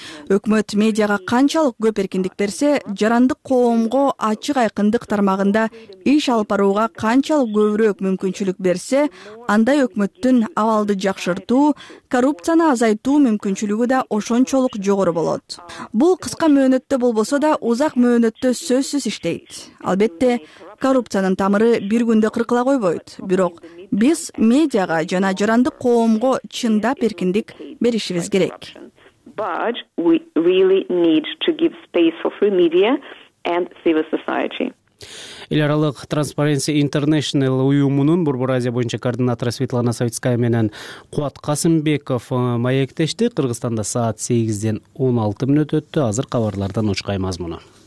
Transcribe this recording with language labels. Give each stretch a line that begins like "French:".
Kyrgyz: Өкмөт медиага канчалык көп эркиндик берсе, жарандык коомго ачык айкындык тармагында иш алып барууга канчалык көбүрөөк мүмкүнчүлүк берсе, андай өкмөттүн абалды жакшыртуу, коррупцияны азайтуу мүмкүнчүлүгү да ошончолук жогору болот. Бул кыска мөөнөттө болбосо да, узак мөөнөттө сөзсүз иштейт. Албетте, коррупциянын тамыры бир күндө кыркыла койбойт. Бирок биз медиага жана жарандык коомго чындап эркиндик беришибиз керек.
English: But we really need to give space for free media and civil society.
Kyrgyz: Эл аралык Transparency International уюмунун Борбор Азия боюнча координатору Светлана Савицкая менен Кубат Касымбеков маектешти. Кыргызстанда саат 8:16 өттү. Азыр кабарлардан учкай мазмуну.